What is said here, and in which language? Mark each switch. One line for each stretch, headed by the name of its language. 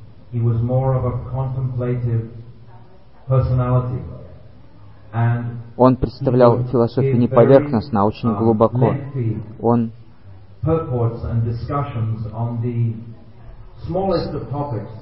English: He was more of a contemplative personality. And
Russian: он представлял философию не поверхностно, а очень глубоко. Он
English: purports and discussions on the smallest of topics.